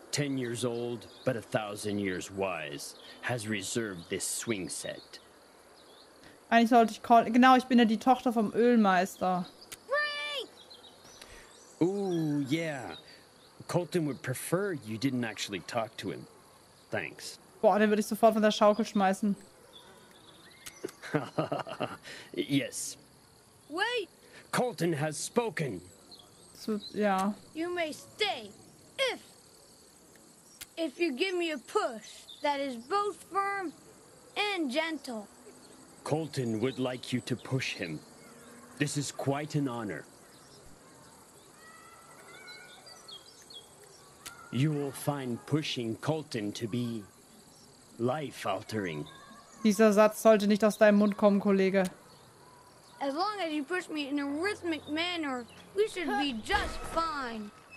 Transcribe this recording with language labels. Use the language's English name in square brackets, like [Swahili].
[English] 10 years old, but 1,000 years wise, has reserved this swing set. [German] Eigentlich sollte ich call. Genau, ich bin ja die Tochter vom Ölmeister. [English] Ooh, yeah. Colton would prefer you didn't actually talk to him. Thanks. [German] Boah, den würde ich sofort von der Schaukel schmeißen. [English] Yes. Wait. Colton has spoken. [German] So, ja. [English] You may stay, if. If you give me a push that is both firm and gentle. Colton would like you to push him. This is quite an honor. You will find pushing Colton to be life altering. [German] Dieser Satz sollte nicht aus deinem Mund kommen, Kollege. [English] As long as you push me in a rhythmic manner, we should be just fine.